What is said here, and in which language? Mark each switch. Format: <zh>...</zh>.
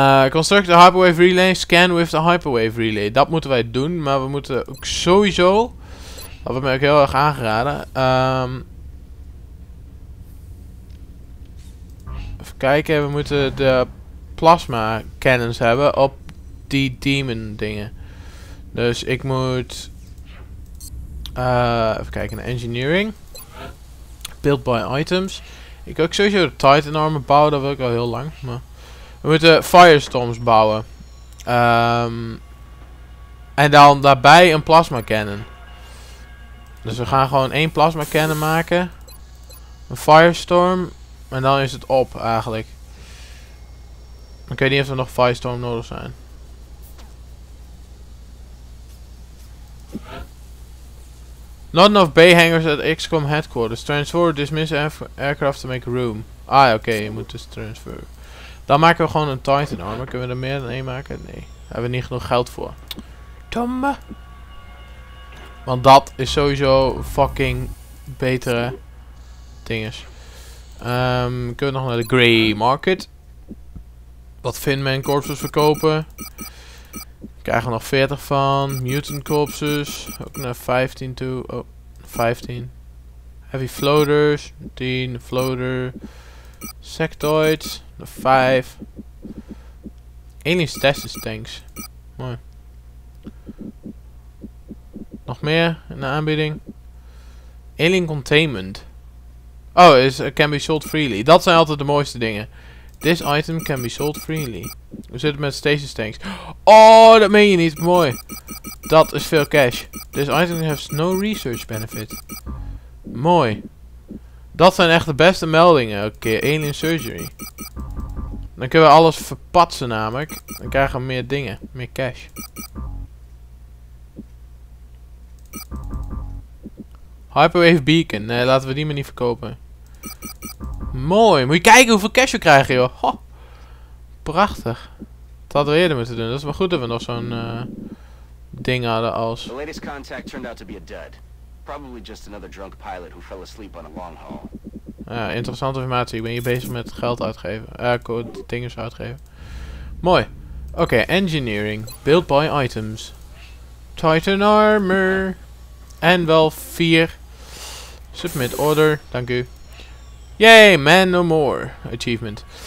<en>Construct the hyperwave relay, scan with the hyperwave relay.</en> <nl>Dat moeten wij doen, maar we moeten ook sowieso, dat heb ik ook heel erg aangeraden, even kijken, we moeten de plasma cannons hebben op die demon dingen. Dus ik moet even kijken naar engineering.</nl> <en>Build by items.</en> <nl>Ik wil ook sowieso de Titan armor bouwen, dat wil ik al heel lang. Maar we moeten firestorms bouwen. En dan daarbij een plasma cannon. Dus we gaan gewoon één plasma cannon maken. Een firestorm. En dan is het op eigenlijk. Ik weet niet of er nog firestorm nodig zijn.</nl> <en>Not enough bay hangers at XCOM headquarters. Transfer, dismiss aircraft to make room.</en> <nl>Ah, oké, okay, je moet dus transfer. Dan maken we gewoon een Titan armor. Kunnen we er meer dan één maken? Nee. Daar hebben we niet genoeg geld voor. Domme. Want dat is sowieso fucking betere dinges. Kunnen we nog naar de grey market? Wat Finman corpses verkopen? Krijgen we nog 40 van. Mutant corpses. Ook naar 15 toe. Oh, 15.</nl> <en>Heavy floaters. 10. Floater. Sectoids. 5. Alien stasis tanks. Mooi.</en> <nl>Nog meer in de aanbieding. Alien containment. Oh,</nl> <en>is can be sold freely.</en> <nl>Dat zijn altijd de mooiste dingen.</nl> <en>This item can be sold freely.</en> <nl>We zitten met stasis tanks. Oh, dat meen je niet. Mooi. Dat is veel cash.</nl> <en>This item has no research benefit.</en> <nl>Mooi. Dat zijn echt de beste meldingen. Oké, alien surgery. Dan kunnen we alles verpatsen namelijk. Dan krijgen we meer dingen. Meer cash. Hyperwave beacon. Nee, laten we die maar niet verkopen. Mooi. Moet je kijken hoeveel cash we krijgen, joh. Ho. Prachtig. Dat hadden we eerder moeten doen. Dat is wel goed dat we nog zo'n ding hadden als...</nl> <en>The latest contact turned out to be a dud. Probably just another drunk pilot who fell asleep on a long haul.</en> <nl>Ja, interessante informatie. Ik ben hier bezig met geld uitgeven. Dingen uitgeven. Mooi. Oké, okay, engineering.</nl> <en>Build by items. Titan armor.</en> <nl>En wel 4.</nl> <en>Submit order.</en> <nl>Dank u.</nl> <en>Yay, man no more. Achievement.</en>